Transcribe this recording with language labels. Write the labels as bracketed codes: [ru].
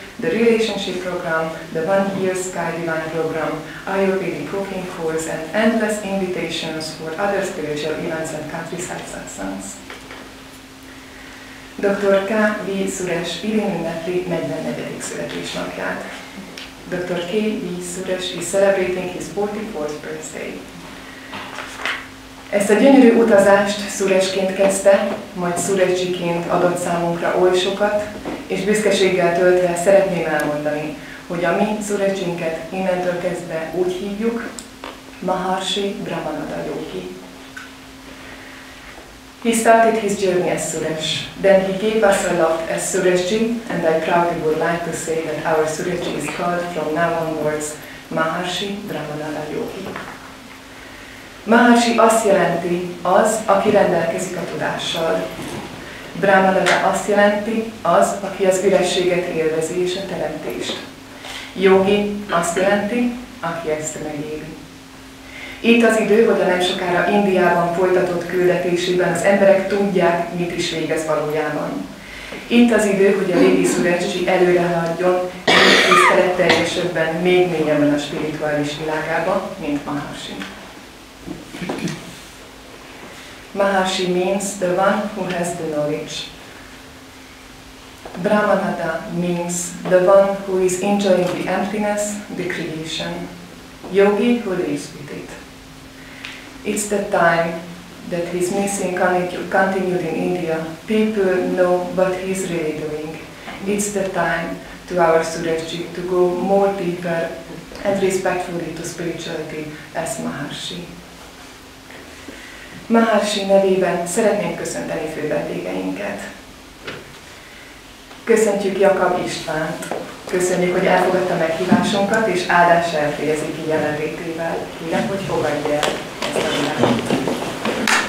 [en] The relationship program, the 1 year sky divine program, Ayurvedic cooking course and endless invitations for other spiritual events and countryside satsangs. [hu] Dr. K. V. Suresh Irin ünnepli 44. születésnapját. Dr. K. V. [en] Suresh is celebrating his 44th birthday. [hu] Ezt a gyönyörű utazást Suresh-ként kezdte, majd Suresh-ként adott számunkra oly sokat, és büszkeséggel töltve szeretném elmondani, hogy a mi Suresh-inket innentől kezdve úgy hívjuk, Maharshi Brahmanada Yogi. [en] He started his journey as Suresh, then he gave us a lot as Suresh-ji, and I proudly would like to say that our Suresh-ji is called from now onwards Maharshi Brahmanada Yogi. [hu] Maharshi azt jelenti az, aki rendelkezik a tudással. Brahmanada azt jelenti az, aki az ürességet élvezi és a teremtést. Yogi azt jelenti, aki ezt megéli. Itt az idő, hogy a nem sokára Indiában folytatott küldetésében az emberek tudják, mit is végez valójában. Itt az idő, hogy a régi Suresh-ji előre haladjon, még tiszteletteljesebben, még mélyebben a spirituális világába, mint Maharshi. [en] Maharshi means the one who has the knowledge. Brahmanada means the one who is enjoying the emptiness, the creation. Yogi who lives with it. It's the time that he's missing continued in India. People know what he's really doing. It's the time to our Suresh-ji to go more deeper and respectfully to spirituality as Maharshi. [hu] Maharshi nevében szeretnénk köszönteni fővendégeinket. Köszöntjük Jakab Istvánt, köszönjük, hogy elfogadta meghívásunkat, és áldás elfélyezik így jelenlétével. Kérem, hogy fogadja el ezt a világot.